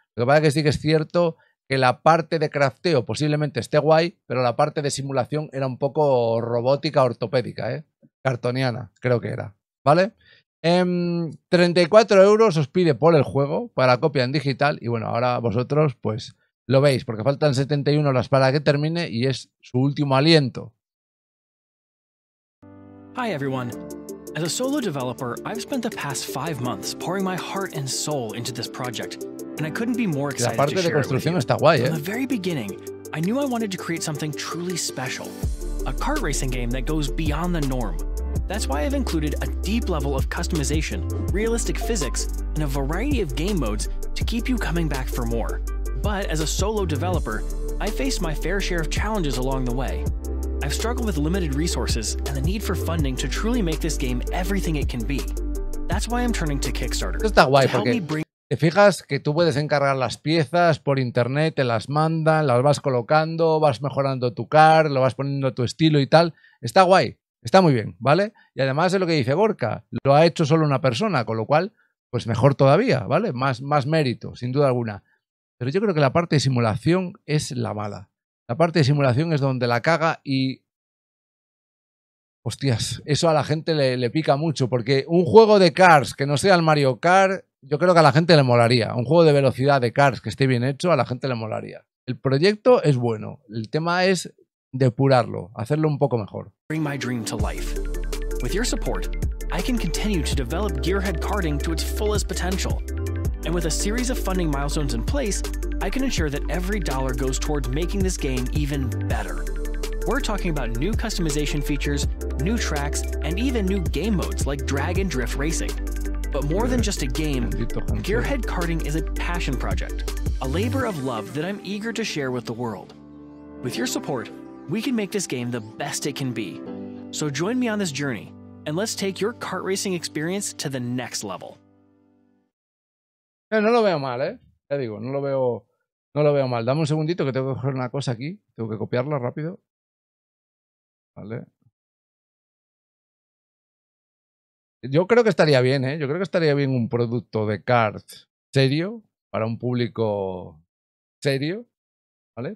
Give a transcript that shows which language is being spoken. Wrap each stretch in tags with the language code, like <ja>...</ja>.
<es>Lo que pasa es que sí que es cierto que la parte de crafteo posiblemente esté guay, pero la parte de simulación era un poco robótica, ortopédica, ¿eh? Cartoniana, creo que era, ¿vale? 34 euros os pide por el juego para copia en digital. Y bueno, ahora vosotros pues lo veis, porque faltan 71 horas para que termine y es su último aliento.</es> <en>Hi everyone. As a solo developer, I've spent the past 5 months pouring my heart and soul into this project, and I couldn't be more excited.</en> <es>La parte de construcción está guay, ¿eh?</es> <en>From the very beginning, I knew I wanted to create something truly special. A kart racing game that goes beyond the norm. That's why I've included a deep level of customization, realistic physics, and a variety of game modes to keep you coming back for more. But as a solo developer, I faced my fair share of challenges along the way. I've struggled with limited resources and the need for funding to truly make this game everything it can be. That's why I'm turning to Kickstarter.</en> <es>Esto está guay porque te fijas que tú puedes encargar las piezas por internet, te las mandan, las vas colocando, vas mejorando tu car, lo vas poniendo a tu estilo y tal. Está guay. Está muy bien, ¿vale? Y además es lo que dice Gorka, lo ha hecho solo una persona, con lo cual, pues mejor todavía, ¿vale? Más mérito, sin duda alguna. Pero yo creo que la parte de simulación es la mala. La parte de simulación es donde la caga y... Hostias, eso a la gente le pica mucho, porque un juego de Cars que no sea el Mario Kart, yo creo que a la gente le molaría. Un juego de velocidad de Cars que esté bien hecho, a la gente le molaría. El proyecto es bueno, el tema es... depurarlo, hacerlo un poco mejor.</es> <en>Bring my dream to life. With your support, I can continue to develop Gearhead Karting to its fullest potential. And with a series of funding milestones in place, I can ensure that every dollar goes towards making this game even better. We're talking about new customization features, new tracks, and even new game modes like drag and drift racing. But more than just a game, Gearhead Karting is a passion project, a labor of love that I'm eager to share with the world. With your support, we can make this game the best it can be. So join me on this journey and let's take your kart racing experience to the next level.</en> <es>No lo veo mal, ¿eh? Ya digo, no lo veo No lo veo mal. Dame un segundito que tengo que coger una cosa aquí. Tengo que copiarla rápido. Vale. Yo creo que estaría bien, ¿eh? Yo creo que estaría bien un producto de Cart serio para un público serio, ¿vale?</es>